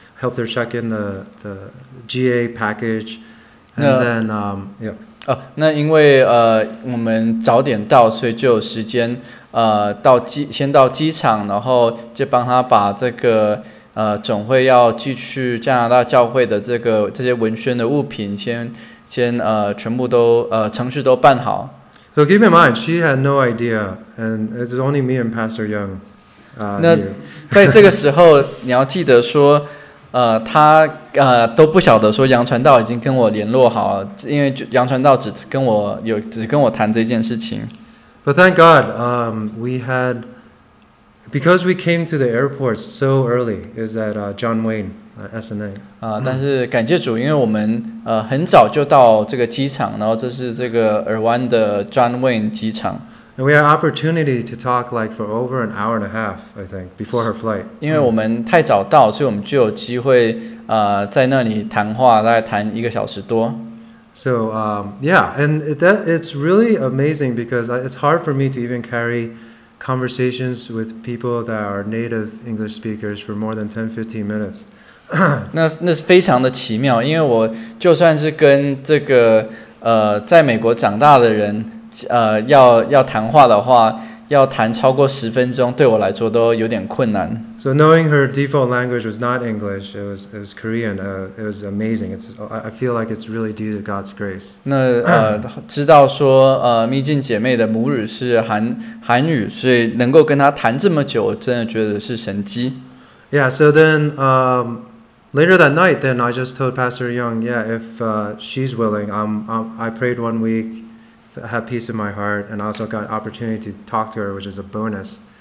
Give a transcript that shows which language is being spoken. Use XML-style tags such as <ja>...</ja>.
<en>Helped her check in the GA package, and then yeah.</en> <zh>那因为我们早点到，所以就有时间先到机场，然后就帮她把这个。总会要寄去加拿大教会的这些文宣的物品先全部都程序都办好。</zh> <en>So keep in mind, she had no idea, and it was only me and Pastor Young.</en> <zh>那在这个时候，你要记得说，他都不晓得说杨传道已经跟我联络好了，因为杨传道只跟我谈这件事情。</zh> <en>But thank God, we had. Because we came to the airport so early, is at John Wayne, SNA.</en> <zh>但是感谢主，因为我们很早就到这个机场，然后这是这个尔湾的 John Wayne 机场。</zh> <en>And we had opportunity to talk like for over an hour and a half, I think, before her flight.</en> <zh>因为我们太早到，所以我们就有机会在那里谈话，大概谈一个小时多。</zh> <en>So yeah, and that it's really amazing because it's hard for me to even carry conversations with people that are native English speakers for more than 10-15 minutes.</en> <zh>那是非常的奇妙，因为我就算是跟这个在美国长大的人要谈话的话，要谈超过十分钟，对我来说都有点困难。</zh> <en>So knowing her default language was not English, it was Korean. It was amazing. I feel like it's really due to God's grace.</en> <zh>那知道说蜜静姐妹的母语是韩语，所以能够跟她谈这么久，真的觉得是神迹。</zh> <en>Yeah. So then, later that night, then I just told Pastor Young, yeah, if she's willing, I prayed 1 week, had peace in my heart, and also got opportunity to talk to her, which is a bonus.</en>